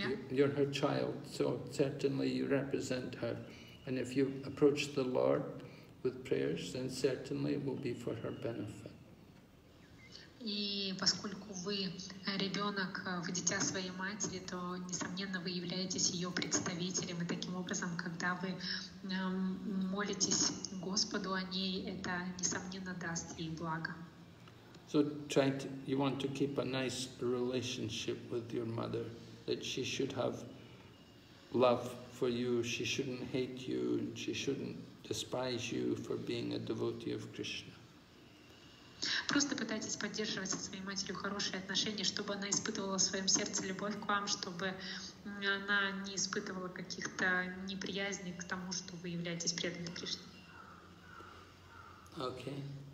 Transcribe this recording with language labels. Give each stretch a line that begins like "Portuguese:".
English: You're her child, so certainly you represent her. And if you approach the Lord with prayers, then certainly it will be for her benefit.
Russian: И поскольку вы ребенок, вы дитя своей матери, то, несомненно, вы являетесь ее представителем. И таким образом, когда вы молитесь Господу о ней, это, несомненно, даст ей благо.
English: So try to, you want to keep a nice relationship with your mother, that she should have love for you, she shouldn't hate you, and she shouldn't despise you for being a devotee of Krishna.
Russian: Просто пытайтесь поддерживать со своей матерью хорошие отношения, чтобы она испытывала в своем сердце любовь к вам, чтобы она не испытывала каких-то неприязней к тому, что вы являетесь преданной Кришне. Окей.